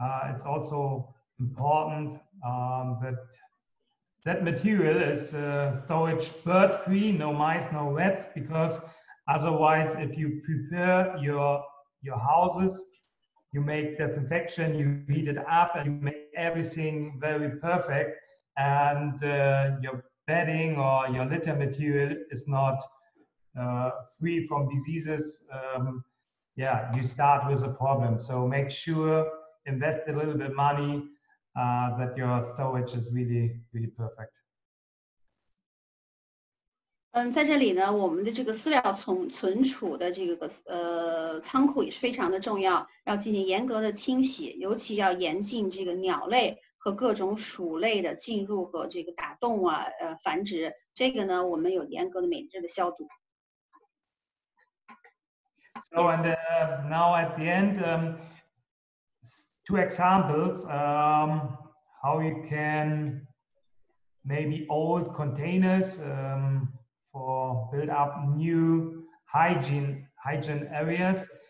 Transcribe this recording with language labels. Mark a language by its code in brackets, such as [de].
[en] It's also important that material is storage bird free, no mice, no rats, because otherwise, if you prepare your houses, you make disinfection, you heat it up, and you make everything very perfect, and your bedding or your litter material is not free from diseases, you start with a problem. So make sure, invest a little bit of money that your storage is really, really perfect. [zh] 在这里呢，我们的这个饲料存储的这个仓库也是非常的重要，要进行严格的清洗，尤其要严禁这个鸟类和各种鼠类的进入和这个打洞啊，繁殖。这个呢，我们有严格的每日的消毒。 [en] So and now at the end, two examples, how you can maybe old containers, for build up new hygiene areas.